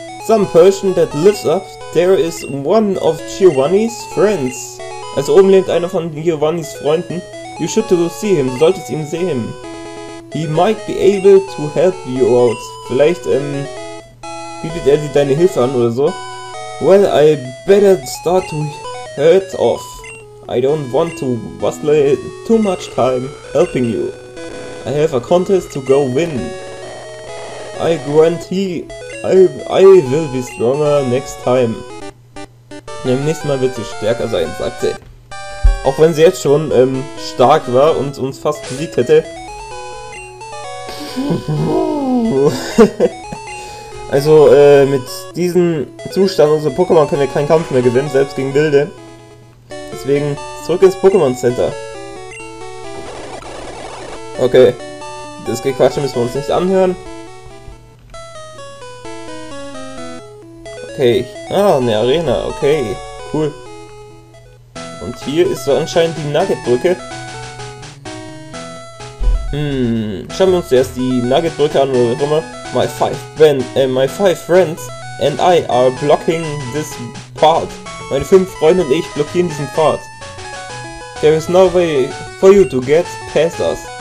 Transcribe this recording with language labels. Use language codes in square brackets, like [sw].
[en] Some person that lives up there is one of Giovanni's friends. [de] Also oben lebt einer von Giovanni's Freunden. [en] You should go see him, [de] du solltest ihn sehen. [en] He might be able to help you out. [de] Vielleicht, bietet er dir deine Hilfe an oder so. [en] Well, I better start to head off. I don't want to waste too much time helping you. I have a contest to go win. I guarantee I will be stronger next time. [de] Im nächsten Mal wird sie stärker sein, sagt sie. Auch wenn sie jetzt schon stark war und uns fast besiegt hätte. Also mit diesem Zustand unserer Pokémon können wir keinen Kampf mehr gewinnen, selbst gegen Wilde. Deswegen zurück ins Pokémon Center. Okay, das Gequatsche müssen wir uns nicht anhören. Okay, ah, eine Arena, okay, cool. Und hier ist so anscheinend die Nuggetbrücke. Schauen wir uns zuerst die Nuggetbrücke an oder immer. [en] My five friends and I are blocking this path. [de] Meine fünf Freunde und ich blockieren diesen Pfad. [en] There is no way for you to get past us.